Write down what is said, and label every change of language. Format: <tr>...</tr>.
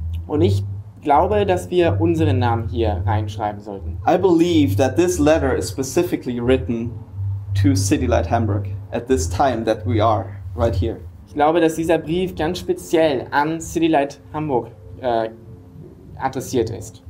<de>Und ich glaube, dass wir unseren Namen hier reinschreiben sollten.</de> <en>I believe that this letter is specifically written to CityLight Hamburg at this time that we are right here.</en> <de>Ich glaube, dass dieser Brief ganz speziell an CityLight Hamburg adressiert ist.</de>